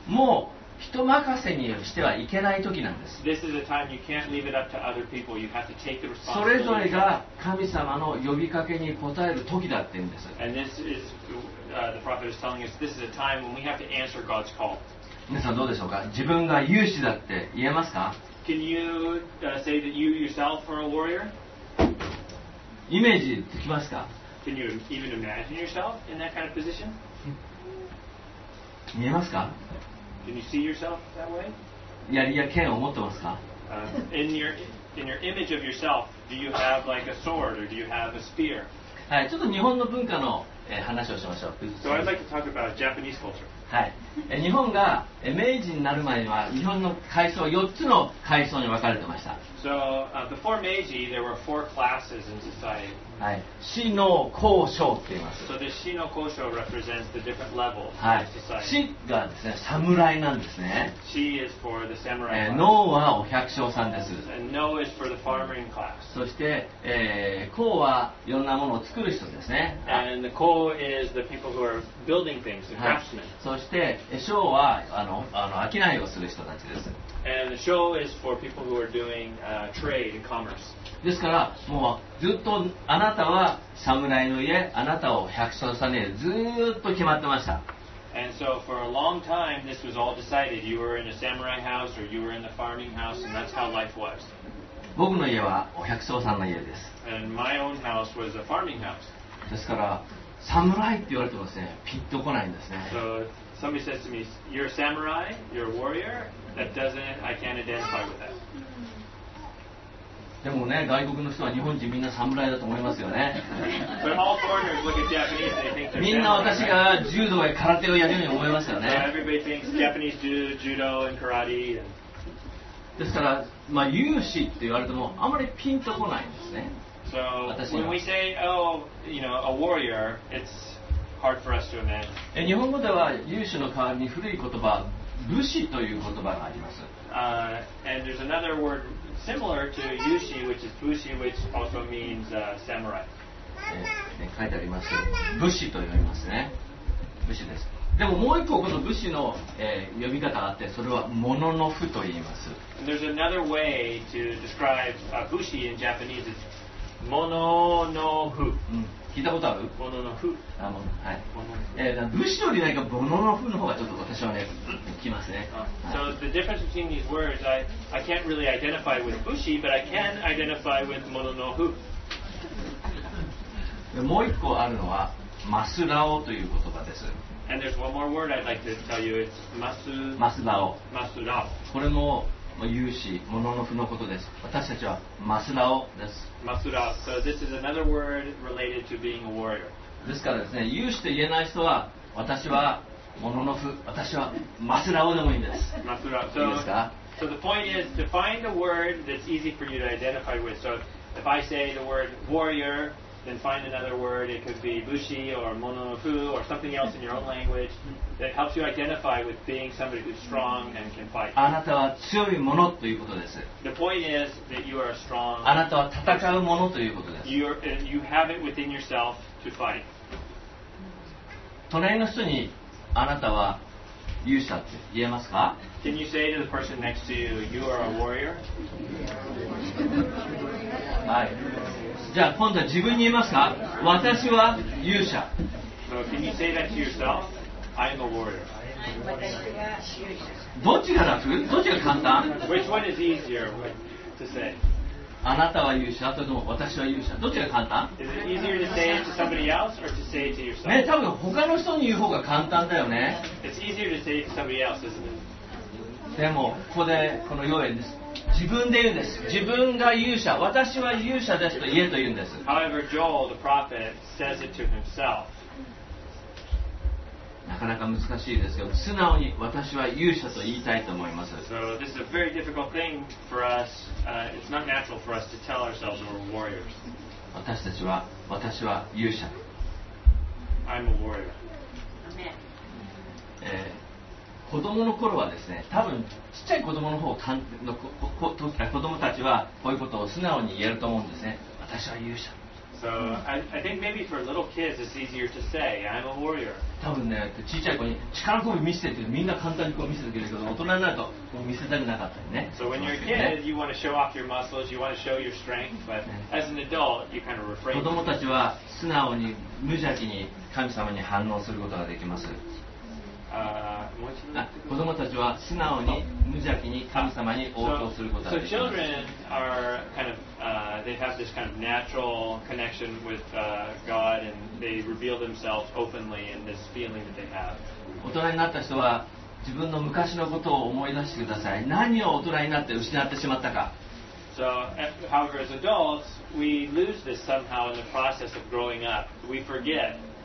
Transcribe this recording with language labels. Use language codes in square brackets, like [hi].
[ja] もう人任せにしてはいけない時なんです。 [en] This is a time you can't leave it up to other people. You have to take the responsibility. [ja] それぞれが神様の呼びかけに応える時だって言うんです。 [en] And this is the prophet is telling us this is a time when we have to answer God's call. [ja] 皆さんどうでしょうか。自分が勇士だって言えますか。 [en] Can you say that you yourself are a warrior? [ja] イメージできますか。 [en] Can you even imagine yourself in that kind of position? [ja] 見えますか。 [en] Can you see yourself that way? [ja] やりや剣を持ってますか? [en] In your image of yourself, do you have like a sword or do you have a spear? [ja] はい、ちょっと日本の文化の、話をしましょう。 [en] So I'd like to talk about Japanese culture. [ja] はい、日本が明治になる前には日本の階層は4つの階層に分かれてました。 [en] So, before Meiji, there were four classes in society. [ja] はい、士の高尚って言います。 [en] So, the 士の高尚 represents the different levels of society. [ja] 士がですね、侍なんですね。 [en] 士 is for the samurai class. [ja] 農はお百姓さんです。 [en] And 農 is for the farming class. [ja] そして、高はいろんなものを作る人ですね。 [en] And the 高 is the people who are building things, the craftsmen. [ja] そして、商は商いをする人たちです。 [en] And the show is for people who are doing trade and commerce. [ja] ですから、もうずっとあなたは侍の家、あなたを百姓さんの家、ずっと決まってました。 [en] And so for a long time, this was all decided. You were in a samurai house or you were in the farming house, and that's how life was. [ja] 僕の家はお百姓さんの家です。 [en] And my own house was a farming house. [ja] ですから、侍って言われてもですね、ピッと来ないんですね。 [en] So,Somebody says to me, "You're a samurai, you're a warrior." That doesn't, I can't identify with that. [ja] でもね、外国の人は日本人みんな侍だと思いますよね。 [en] But all foreigners look at Japanese and they think they're. [ja] みんな私が柔道や空手をやるように思いますよね。 [en] So everybody thinks Japanese do judo and karate. [ja] ですから、まあ勇士って言われてもあまりピンとこないんですね。 [en] So when we say, "Oh, you know, a warrior," it's hard for us to imagine. [ja] 日本語では勇士の代わりに古い言葉、武士という言葉があります。 [en] And there's another word similar to 勇士, which is 武士, which also means samurai. [ja] 書いてあります。武士と呼びますね。武士です。でももう一個この武士の、呼び方があって、それはモノノフと言います。 [en] And there's another way to describe 武士 in Japanese. It's モノノフ。 [ja] 聞いたことある？モノノフ。あ、モノ、はい。モノノフ。武士よりなんかモノノフの方がちょっと私はね、きますね。 [en] So the difference between these words, I can't really identify with 武士, but I can identify with モノノフ。 [ja] もう一個あるのはマスラオという言葉です。 [en] And there's one more word I'd like to tell you. It's [ja] マスラオ。マスラオ。これも勇士、モノノフのことです。私たちはマスラオです。 [en] Masura. So this is another word related to being a warrior. [ja] ですからですね、勇士と言えない人は、私はモノノフ、私はマスラオでもいいんです。 [en] Masura. So, [ja] いいですか？ [en] So the point is to find a word that's easy for you to identify with. So if I say the word warrior, then find another word. It could be bushi or mononofu or something else in your own language that helps you identify with being somebody who's strong and can fight. [ja] あなたは強いものということです。 [en] The point is that you are a strong. [ja] あなたは戦うものということです。 [en] You have it within yourself to fight. [ja] 隣の人にあなたは勇者って言えますか？ [en] Can you say to the person next to you, you are a warrior? [ja] はい。じゃあ今度は自分に言いますか？私は勇者。 [en] So, can you say that to yourself? I'm a warrior. [ja] 私は勇者。どっちが楽？どっちが簡単？ [en] Which one is easier to say? [ja] あなたは勇者、とでも私は勇者。どっちが簡単？ [en] Is it easier to say it to somebody else or to say it to yourself? [ja] ね、多分他の人に言う方が簡単だよね。 [en] It's easier to say it to somebody else, isn't it? [ja] でもここでこの要点です。自分で言うんです。自分が勇者、私は勇者ですと言えと言うんです。 [en] However, Joel, the prophet, says it to himself. [ja] なかなか難しいですけど、素直に私は勇者と言いたいと思います。 [en] So this is a very difficult thing for us. It's not natural for us to tell ourselves we're warriors. [ja] 私たちは、私は勇者。 [en] I'm a warrior. Amen. [ja] 子供の頃はですね、多分ちっちゃい子供の方の子供たちはこういうことを素直に言えると思うんですね。私は勇者。 [en] So, I think maybe for little kids it's easier to say, I'm a warrior. [ja] 多分ね、ちっちゃい子に力こぶ見せてってみんな簡単にこう見せてくれるけど、大人になるとこう見せたくなかったりね。 [en] So when you're a kid, you want to show off your muscles, you want to show your strength, but as an adult, you kind of refrain. [ja] 子供たちは素直に無邪気に神様に反応することができます。子供たちは素直に無邪気に神様に応答することができます。 [en] So children are kind of, they have this kind of natural connection with God and they reveal themselves openly in this feeling that they have. [ja] 大人になった人は自分の昔のことを思い出してください。何を大人になって失ってしまったか。 [en] So, however, as adults, we lose this somehow in the process of growing up. We forget